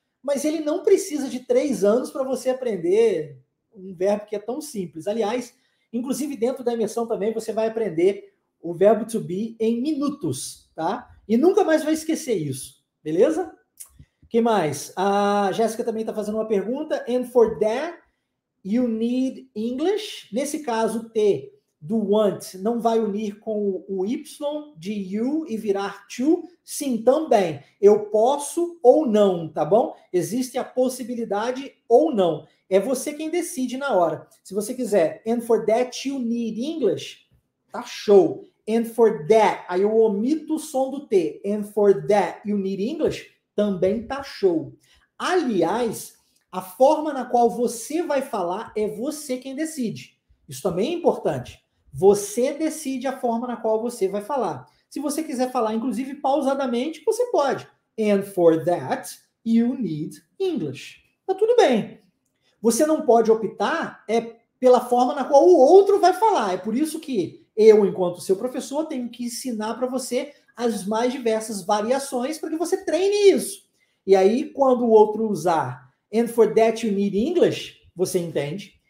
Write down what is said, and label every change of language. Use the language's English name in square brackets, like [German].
[Portuguese] Mas ele não precisa de 3 anos para você aprender um verbo que é tão simples. Aliás, inclusive dentro da imersão também, você vai aprender o verbo to be em minutos, tá? E nunca mais vai esquecer isso, beleza? O que mais? A Jéssica também está fazendo uma pergunta. [English] And for that, you need English. [Portuguese] Nesse caso, T do want não vai unir com o Y de you e virar to? Sim, também. Eu posso ou não, tá bom? Existe a possibilidade ou não. É você quem decide na hora. Se você quiser, [English] and for that you need English, [Portuguese] tá show. [English] And for that, [Portuguese] aí eu omito o som do T. [English] And for that you need English, [Portuguese] também tá show. Aliás, A forma na qual você vai falar é você quem decide. Isso também é importante. Você decide a forma na qual você vai falar. Se você quiser falar, inclusive, pausadamente, você pode. [English] And for that, you need English. [Portuguese] Tá tudo bem. Você não pode optar pela forma na qual o outro vai falar. É por isso que eu, enquanto seu professor, tenho que ensinar para você as mais diversas variações para que você treine isso. E aí, quando o outro usar [English] and for that you need English, [Portuguese] você entende.